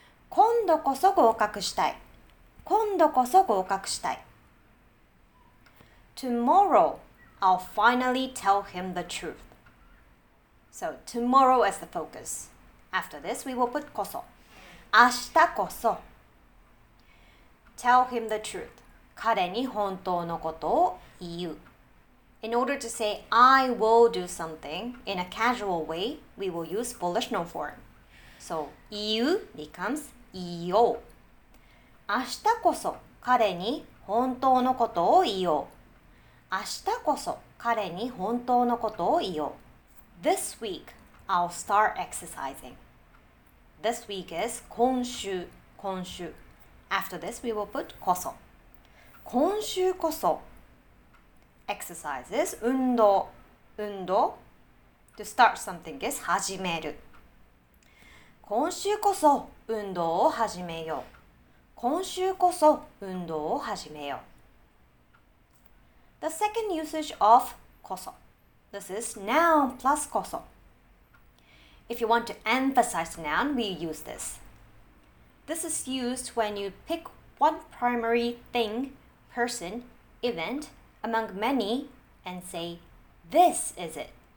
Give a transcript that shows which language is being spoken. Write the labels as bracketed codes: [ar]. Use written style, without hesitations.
[ja] 今度こそ合格したい.今度こそ合格したい. [en] Tomorrow, I'll finally tell him the truth. So tomorrow is the focus. After this, we will put koso. [ja] 明日こそ. [en] Tell him the truth. [ja] 彼に本当のことを言う. [en] In order to say, I will do something in a casual way, we will use volitional form. So 言う becomes 言おう. [ja] 明日こそ彼に本当のことを言おう. 明日こそ彼に本当のことを言おう. [en] This week, I'll start exercising. This week is 今週, 今週. After this, we will put こそ. [ja] 今週こそ. [en] Exercise is 運動, 運動. To start something is 始める. [ja] 今週こそ運動を始めよう.今週こそ運動を始めよう. [en] The second usage of こそ. This is noun plus こそ. If you want to emphasize a noun, we use this. This is used when you pick one primary thing, person, event, among many, and say, this is it.